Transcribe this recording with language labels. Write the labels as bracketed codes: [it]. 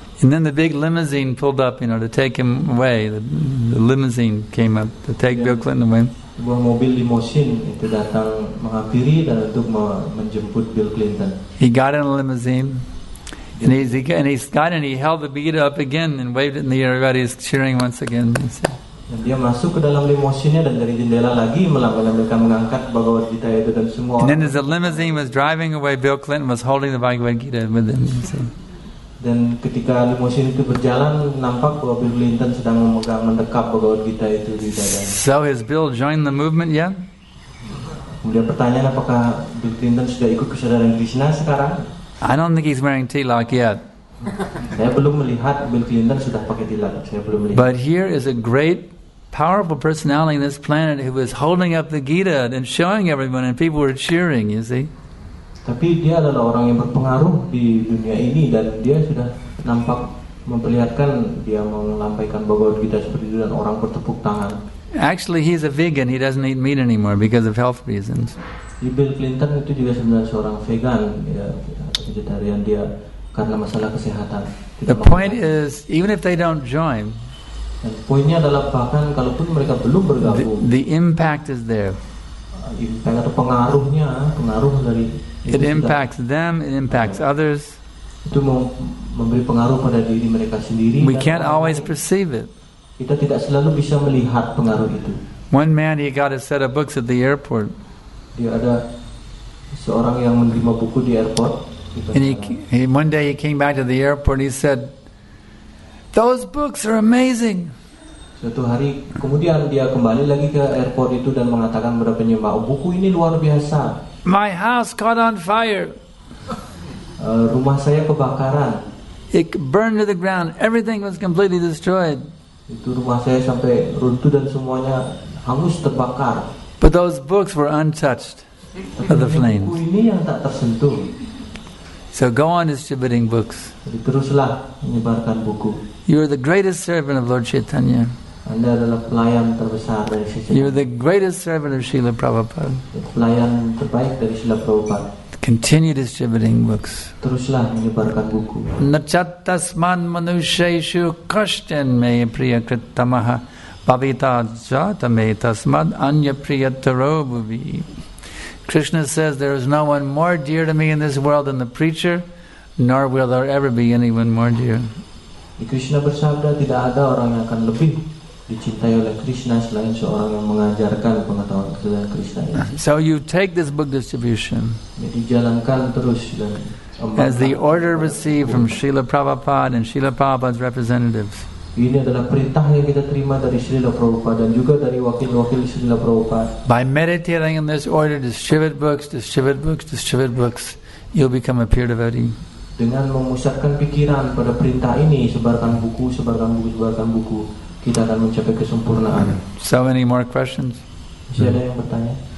[en] And then the big limousine pulled up, you know, to take him away. The limousine came up to take Bill Clinton away. [id] Sebuah mobil limousin itu datang menghampiri dan untuk menjemput Bill Clinton. [en] He got in a limousine. And he held the Gita up again and waved it in the air. Everybody's cheering once again. [id] Dia masuk ke dalam limousinnya dan dari jendela lagi melambai-lambaikan mengangkat Bhagavad Gita itu dan semua. [en] And then as the limousine was driving away, Bill Clinton was holding the Bhagavad Gita with him. [id] Dan ketika limousine itu berjalan, nampak bahwa Bill Clinton sedang memegang mendekap Bhagavad Gita itu di dadanya. [en] So has Bill joined the movement yet? [id] Kemudian pertanyaan, apakah Bill Clinton sudah ikut kesadaran Krishna sekarang? [en] I don't think he's wearing tilak yet. [id] Saya belum melihat Bill Clinton sudah pakai tilak. Saya belum melihat. [en] But here is a great, powerful personality on this planet who was holding up the Gita and showing everyone, and people were cheering. You see. [id] Tapi dia adalah orang yang berpengaruh di dunia ini, dan dia sudah nampak memperlihatkan dia melampaikan Bhagavad Gita seperti itu, dan orang bertepuk tangan. [en] Actually, he's a vegan. He doesn't eat meat anymore because of health reasons. [id] Bill Clinton itu juga sebenarnya seorang vegan. Vegetarian dia. Karena masalah kesehatan. [en] The point is, even if they don't join, [id] poinnya adalah bahkan kalaupun mereka belum bergabung, [en] the impact is there. [id] Impact atau pengaruhnya, pengaruh dari [en] it impacts them, it impacts others. [id] Itu memberi pengaruh pada diri mereka sendiri. [en] We can't always perceive it. [id] Kita tidak selalu bisa melihat pengaruh itu. [en] One man, he got a set of books at the airport. [id] Dia ada Seorang yang menerima buku di airport. [en] And one day he came back to the airport and he said, "Those books are amazing." [id] Suatu hari kemudian dia kembali lagi ke airport itu dan mengatakan kepada penyembah, "Oh, buku ini luar biasa." [en] "My house caught on fire." [id] Rumah saya kebakaran. [en] "It burned to the ground. Everything was completely destroyed." [id] Itu rumah saya sampai runtuh dan semuanya hangus terbakar. [en] "But those books were untouched by the flames." [id] Buku ini yang tak tersentuh. [en] So go on distributing books. [id] Jadi teruslah menyebarkan buku. [en] You are the greatest servant of Lord Chaitanya. [id] Anda adalah pelayan terbesar dari Chaitanya. [en] You are the greatest servant of Srila Prabhupada. [id] Pelayan terbaik dari Srila Prabhupada. [en] Continue distributing books. [id] Teruslah menyebarkan buku. [sa] Nachatasman manusheshu kashten me priyakritamaha bhavita jatametasmad anya priyataroubhuvi. [en] Krishna says, "There is no one more dear to me in this world than the preacher, nor will there ever be anyone more dear." [id] Krishna bersabda, tidak ada orang yang akan lebih dicintai oleh Krishna selain seorang yang mengajarkan pengetahuan tentang Krishna. [en] So you take this book distribution. [id] Jadi jalankan terus dan [en] as the order received from Srila Prabhupada and Srila Prabhupada's representatives. [id] Ini adalah perintah yang kita terima dari Srila Prabhupada dan juga dari wakil-wakil Srila Prabhupada. [en] By meditating in this order, distribute books, distribute books, distribute books, you'll become a pure devotee. [id] Dengan memusatkan pikiran pada perintah ini, sebarkan buku, sebarkan buku, sebarkan buku, kita akan mencapai kesempurnaan. [en] So any more questions? [id] Siapa yang bertanya?